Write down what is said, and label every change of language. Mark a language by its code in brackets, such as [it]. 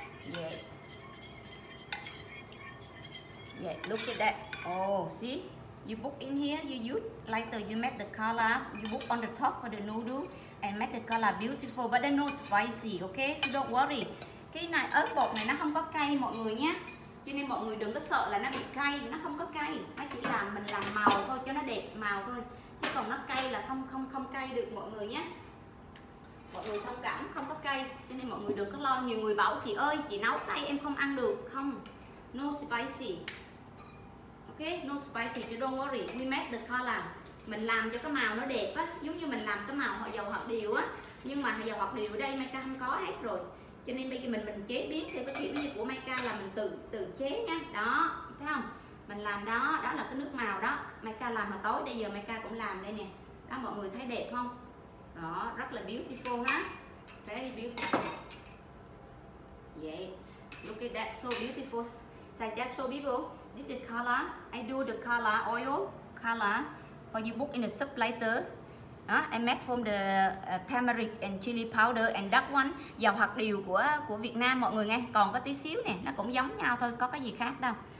[en] Yeah. Yeah, look at that. Oh, see? You put in here, you use lighter, you make the color, you put on the top for the noodle and make the color beautiful, but then no spicy, okay? So don't worry. [vi] Cái này ớt bột này nó không có cay mọi người nhé. Cho nên mọi người đừng có sợ là nó bị cay, nó không có cay. Nó chỉ làm mình làm màu thôi cho nó đẹp màu thôi. Chứ còn nó cay là không cay được mọi người nhé. Mọi người thông cảm, không có cay. Cho nên mọi người đừng có lo, nhiều người bảo chị ơi, chị nấu cay em không ăn được. [en] Không. No spicy. Okay, no spicy, you don't worry. We make the color. [vi] Mình làm cho cái màu nó đẹp á, giống như mình làm cái màu dầu hạt điều á. Nhưng mà dầu hạt điều ở đây Mika không có hết rồi. Cho nên bây giờ mình chế biến theo cái kiểu như của Maika là mình tự chế nha. Đó, thấy không? Mình làm đó, đó là cái nước màu đó. Maika làm mà tối bây giờ Maika cũng làm đây nè. Đó, mọi người thấy đẹp không? Đó, rất là [en] beautiful ha. Very beautiful. Yes, look at that, so beautiful. So I just show people this is the color. I do the color, oil color for you book in a sub lighter. I make from the turmeric and chili powder and dark one, [vi] dầu hạt điều của Việt Nam mọi người nghe. Còn có tí xíu nè, nó cũng giống nhau thôi, có cái gì khác đâu.